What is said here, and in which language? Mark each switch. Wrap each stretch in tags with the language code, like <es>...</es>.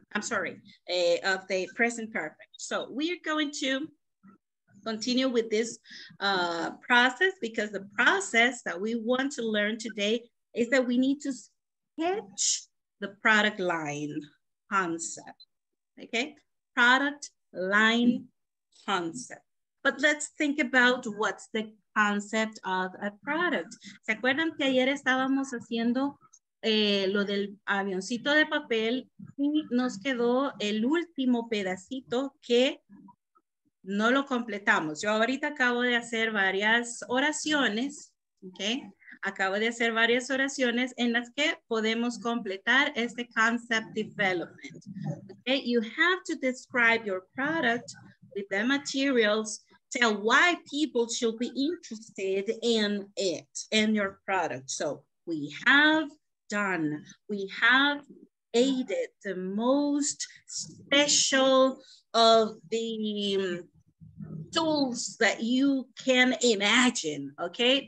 <en>I'm sorry, of the present perfect. So we are going to continue with this process, because the process that we want to learn today is that we need to sketch the product line concept, okay? Product line concept. But let's think about what's the concept of a product.</en> <es>¿Se acuerdan que ayer estábamos haciendo lo del avioncito de papel y nos quedó el último pedacito que no lo completamos? Yo ahorita acabo de hacer varias oraciones, okay? Acabo de hacer varias oraciones en las que podemos completar este concept development. Okay?</es> <en>You have to describe your product with the materials. Tell why people should be interested in it, in your product. So we have done, we have aided the most special of the tools that you can imagine, okay?</en>